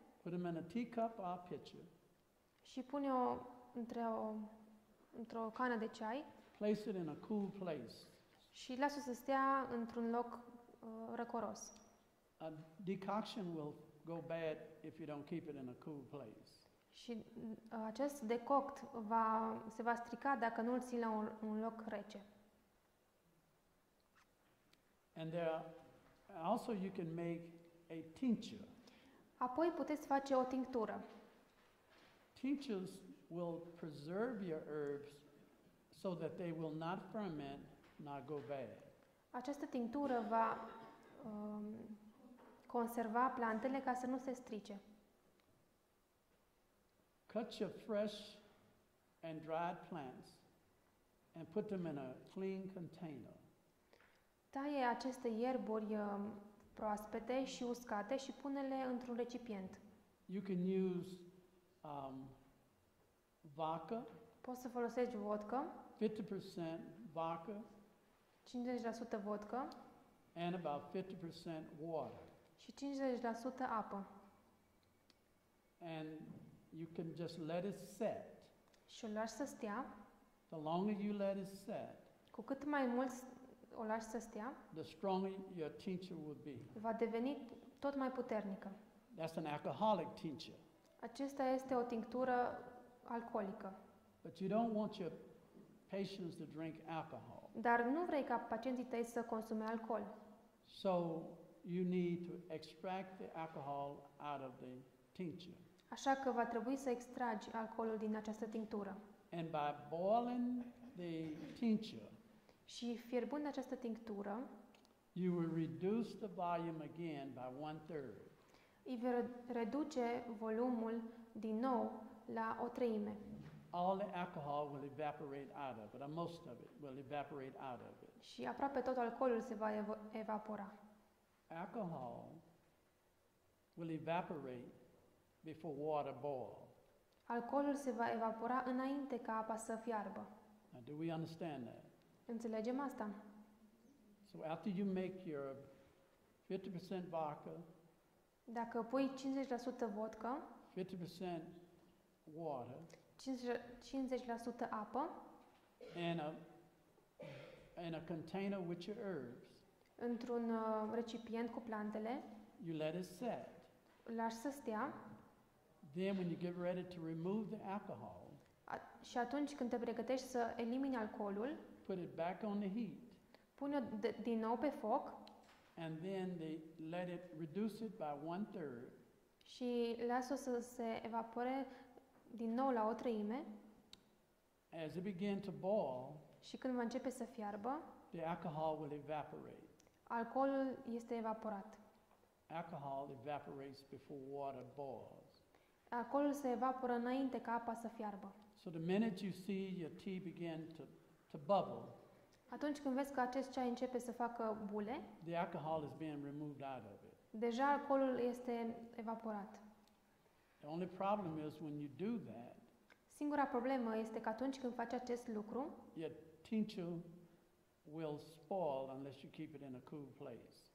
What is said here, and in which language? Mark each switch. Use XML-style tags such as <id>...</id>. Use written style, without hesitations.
<en>Put them in a teacup or pitcher.</en> <ro>Și pune-o într-o cană de ceai.</ro> <en>Place it in a cool place.</en> <ro>Și lasă să stea într-un loc răcoros.</ro> <en>A decoction will go bad if you don't keep it in a cool place.</en> <ro>Și acest decoct se va strica dacă nu îl ții la un loc rece.</ro> <en>And there also you can make a tincture.</en> <ro>Apoi puteți face o tinctură.</ro> <en>Tinctures will preserve your herbs so that they will not ferment, not go bad.</en> <ro>Această tinctură va conserva plantele ca să nu se strice.</ro> <en>Cut your fresh and dried plants and put them in a clean container.</en> <ro>Taie aceste ierburi proaspete și uscate și pune-le într-un recipient.</ro> <en>You can use vodka.</en> <ro>Poți să folosești vodka.</ro> <en>50% vodka.</en> <ro>50% vodka.</ro> <en>And about 50% water.</en> <ro>Și 50% apă.</ro> <en>And you can just let it set.</en> <ro>Și o lași să stea.</ro> <en>The longer you let it set.</en> <ro>Cu cât mai mult o lași să stea.</ro> <en>The stronger your tincture will be.</en> <ro>Va deveni tot mai puternică.</ro> <en>That's an alcoholic tincture.</en> <ro>Acesta este o tinctură alcoolică.</ro> <en>But you don't want your patients to drink alcohol.</en> <ro>Dar nu vrei ca pacienții tăi să consume alcool.</ro> <en>So you need to extract the alcohol out of the tincture.</en> <ro>Așa că va trebui să extragi alcoolul din această tinctură.</ro> <en>And by boiling the tincture.</en> <ro>Și fierbând această tinctură.</ro> <en>You will reduce the volume again by one third.</en> <ro>Îi vei reduce volumul din nou la o treime.</ro> <en>All the alcohol will evaporate out of it, or most of it will evaporate out of it.</en> <ro>Și aproape tot alcoolul se va evapora.</ro> <en>Alcohol will evaporate before water boils.</en> <ro>Alcoolul se va evapora înainte ca apa să fiarbă.</ro> <en>Now, do we understand that?</en> <ro>Înțelegem asta.</ro> <en>So after you make your 50% vodka,</en> <ro>dacă pui 50% vodka,</ro> <en>50% water,</en> <ro>50% apă,</ro> <en>in a container with your herbs,</en> <ro>într-un recipient cu plantele,</ro> <en>you let it set.</en> <ro>Lași să stea.</ro> <en>Then when you get ready to remove the alcohol,</en> <ro>și atunci când te pregătești să elimini alcoolul,</ro> <en>put it back on the heat,</en> <ro>pune-o din nou pe foc,</ro> <en>and then they let it reduce it by one third,</en> <ro>Și lasă să se evapore din nou la o treime.</ro> <en>As it began to boil,</en> <ro>și când va începe să fiarbă,</ro> <en>the alcohol will evaporate.</en> <ro>Alcoolul este evaporat.</ro> <en>Alcohol evaporates before water boils.</en> <ro>Alcoolul se evaporă înainte ca apa să fiarbă.</ro> <en>So the minute you see your tea begin to bubble,</en> <ro>atunci când vezi că acest ceai începe să facă bule,</ro> <en>the alcohol is being removed out of it.</en> <ro>Deja alcoolul este evaporat.</ro> <en>The only problem is when you do that,</en> <ro>singura problemă este că atunci când faci acest lucru,</ro> <en>your tincture will spoil unless you keep it in a cool place.</en>